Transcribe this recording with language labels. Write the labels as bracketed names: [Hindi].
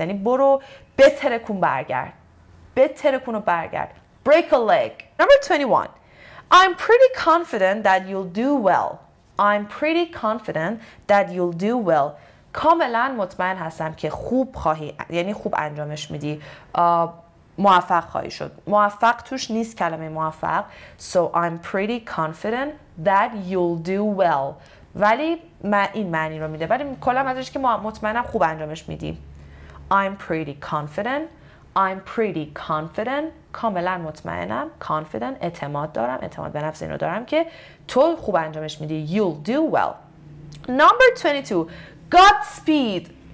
[Persian] یعنی برو بترکون برگرد. بترکون و برگرد. [English] Break a leg. Number 21. I'm pretty confident that you'll do well. I'm pretty confident that you'll do well. [Persian] کاملا مطمئن هستم که خوب خواهی یعنی خوب انجامش میدی. موفق خواهی شد. موفق توش نیست کلمه موفق. [English] So I'm pretty confident that you'll do well. [Persian] ولی من این معنی رو میده. ولی کلا ازش که مطمئنم خوب انجامش میدی. [English] I'm pretty confident. I'm pretty confident. [Persian] کاملا مطمئنم. Confident. اعتماد دارم. اعتماد به نفس اینو دارم که تو خوب انجامش میدی. [English] You'll do well. Number 22. Godspeed.